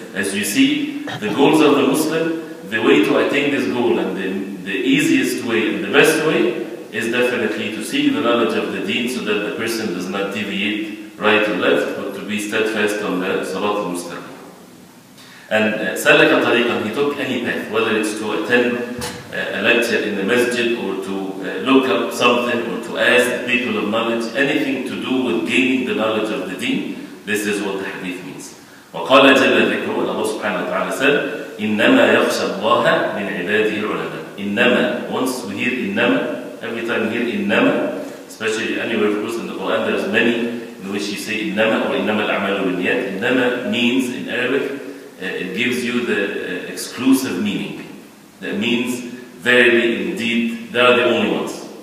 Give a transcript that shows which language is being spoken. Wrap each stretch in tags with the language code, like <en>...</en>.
<en>As you see, the goals of the Muslim, the way to attain this goal, and the easiest way and the best way, is definitely to seek the knowledge of the deen so that the person does not deviate right or left, but to be steadfast on the Salat al-Mustaqim. And Salaka Tariqan, he took any path, whether it's to attend a lecture in the masjid, or to look up something, or to ask people of knowledge, anything to do with gaining the knowledge of the deen, this is what the hadith means.</en> <ar>وقال جل ذكره الله سبحانه وتعالى said إنما يخشى الله من عباده العلماء.</ar> <en>إنما, once we hear إنما, every time we hear إنما, especially anywhere of course in the Quran, there's many in which you say إنما or</en> <ar>إنما الأعمال بالنيات.</ar> <en>إنما means in Arabic, it gives you the exclusive meaning. That means verily, indeed, they are the only ones.</en>